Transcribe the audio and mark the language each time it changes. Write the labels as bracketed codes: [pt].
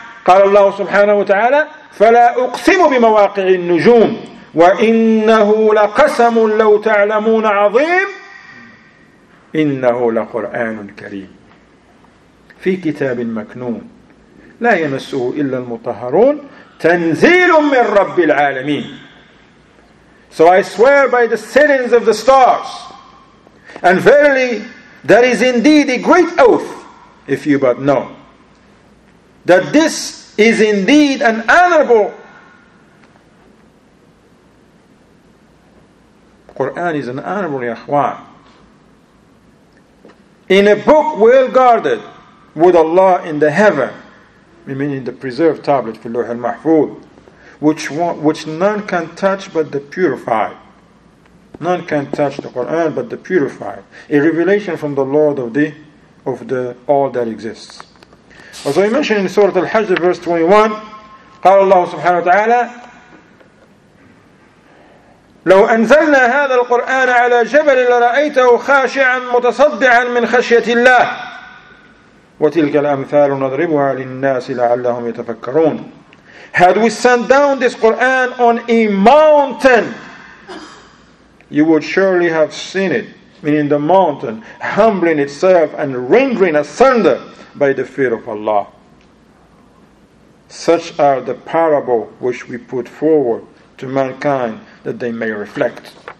[ar] قال الله سبحانه وتعالى فلا أقسم بمواقع النجوم وإنه لقسم لو تعلمون عظيم إنه لقرآن كريم في كتاب مكنون لا يمسه إلا المطهرون تنزيل من رب العالمين. [en] So I swear by the settings of the stars, and verily there is indeed a great oath, if you but know, that this is indeed an honorable Quran, is an honorable Yahwan, in a book well guarded with Allah in the heaven, meaning the preserved tablet for Lawh al-Mahfuz, which none can touch but the purified. None can touch the Quran but the purified. A revelation from the Lord of the all that exists. As I mentioned in Surah Al-Hajj, verse 21, [ar] قال الله سبحانه وتعالى لو أنزلنا هذا القرآن على جبل لرأيته خاشعا متصدعا من خشية الله وتلك الأمثال نضربها للناس لعلهم يتفكرون. [en] Had we sent down this Quran on a mountain, you would surely have seen it, meaning the mountain, humbling itself and rending asunder by the fear of Allah. Such are the parable which we put forward to mankind that they may reflect.